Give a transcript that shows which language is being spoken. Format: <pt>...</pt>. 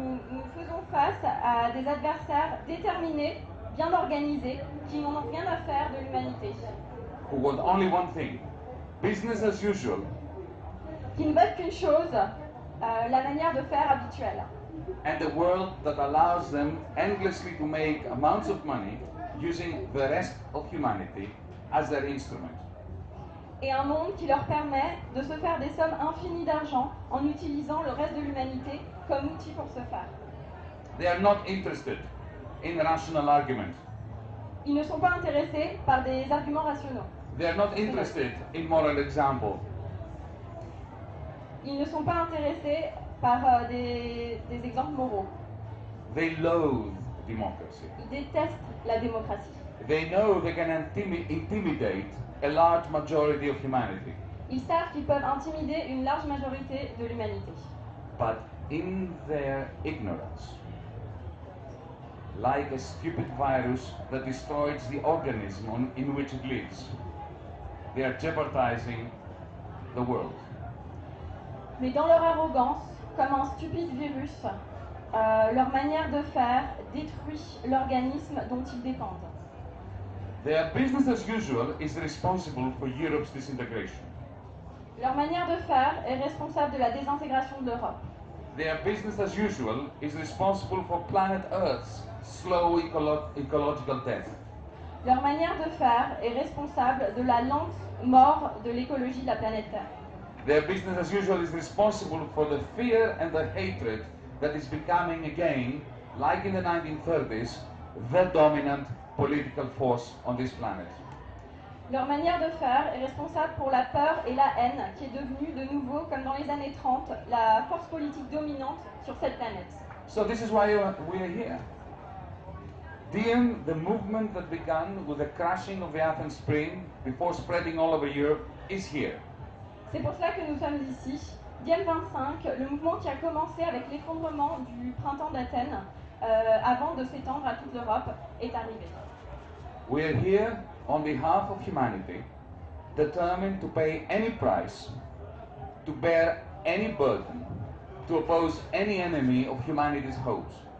<fr>Nous faisons face à des adversaires déterminés, bien organisés, qui n'ont rien à faire de l'humanité.</fr> <en>Who want only one thing, business as usual.</en> <fr>Qui ne veulent qu'une chose, la manière de faire habituelle.</fr> <en>And a world that allows them endlessly to make amounts of money using the rest of humanity as their instrument.</en> <fr>Et un monde qui leur permet de se faire des sommes infinies d'argent en utilisant le reste de l'humanité comme outil pour se faire.</fr> <en>They are not interested in rational arguments.</en> <fr>Ils ne sont pas intéressés par des arguments rationnels.</fr> <en>They are not interested in moral examples.</en> <fr>Ils ne sont pas intéressés par des exemples moraux.</fr> <en>They loathe democracy.</en> <fr>Ils détestent la démocratie.</fr> <en>They know they can intimidate a large majority of humanity.</en> <fr>Ils savent qu'ils peuvent intimider une large majorité de l'humanité.</fr> <en>But in their ignorance, like a stupid virus that destroys the organism in which it lives, they are jeopardizing the world.</en> <fr>Mais dans leur arrogance, comme un stupide virus, leur manière de faire détruit l'organisme dont ils dépendent.</fr> <en>Their business as usual is responsible for Europe's disintegration.</en> <fr>Leur manière de faire est responsable de la désintégration de l'Europe.</fr> <en>Their business as usual is responsible for planet Earth's slow ecological death.</en> <fr>Leur manière de faire est responsable de la lente mort de l'écologie de la planète Terre.</fr> <en>Their business as usual is responsible for the fear and the hatred that is becoming again, like in the 1930s, the dominant political force on this planet.</en> <fr>Leur manière de faire est responsable pour la peur et la haine qui est devenue de nouveau, comme dans les années 30, la force politique dominante sur cette planète.</fr> <en>So this is why we are here. DiEM, the movement that began with the crashing of the Athens Spring before spreading all over Europe, is here.</en> <fr>C'est pour cela que nous sommes ici. DiEM25, le mouvement qui a commencé avec l'effondrement du printemps d'Athènes, avant de s'étendre à toute l'Europe, est arrivé.</fr> <en>We are here on behalf of humanity, determined to pay any price, to bear any burden, to oppose any enemy of humanity's hopes.</en>